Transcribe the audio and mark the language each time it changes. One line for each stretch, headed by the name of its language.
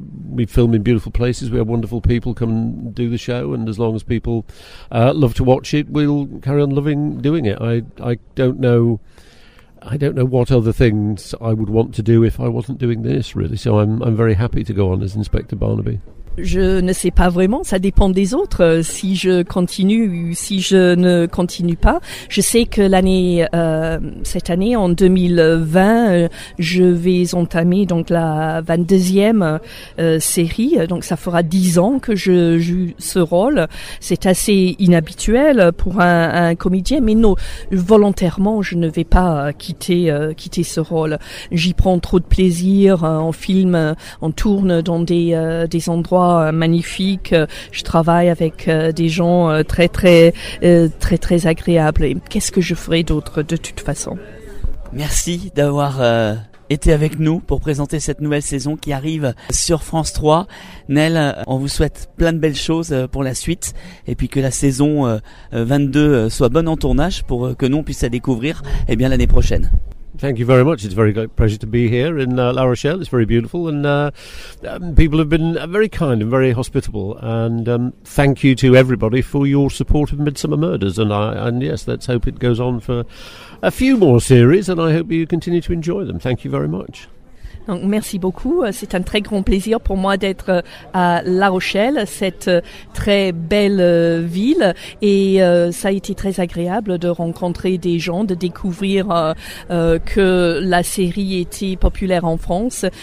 English: We film in beautiful places. We have wonderful people come and do the show. And as long as people love to watch it, we'll carry on loving doing it. I don't know what other things I would want to do if I wasn't doing this, really. So I'm very happy to go on as Inspector Barnaby.
French: Je ne sais pas vraiment, ça dépend des autres, si je continue ou si je ne continue pas. Je sais que l'année, cette année, en 2020, je vais entamer donc la 22e série, donc ça fera 10 ans que je joue ce rôle. C'est assez inhabituel pour un comédien, mais non, volontairement, je ne vais pas quitter ce rôle. J'y prends trop de plaisir, en film, on tourne dans des endroits magnifique. Je travaille avec des gens très très très très agréables. Et qu'est-ce que je ferai d'autre de toute façon? Merci d'avoir été avec nous pour présenter cette nouvelle saison qui arrive sur France 3. Nel, on vous souhaite plein de belles choses pour la suite et puis que la saison 22 soit bonne en tournage pour que nous on puisse la découvrir et bien l'année prochaine.
English: Thank you very much. It's a very great pleasure to be here in La Rochelle. It's very beautiful and people have been very kind and very hospitable. And thank you to everybody for your support of Midsummer Murders. And yes, let's hope it goes on for a few more series and I hope you continue to enjoy them. Thank you very much.
French: Donc, merci beaucoup. C'est un très grand plaisir pour moi d'être à La Rochelle, cette très belle ville. Et ça a été très agréable de rencontrer des gens, de découvrir que la série était populaire en France.